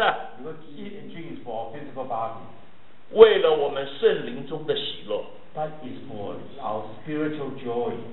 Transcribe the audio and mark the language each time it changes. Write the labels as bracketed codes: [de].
[en] Because eat and drink is for our physical body. [zh] 为了我们圣灵中的喜乐。 [en] That is for our spiritual joy.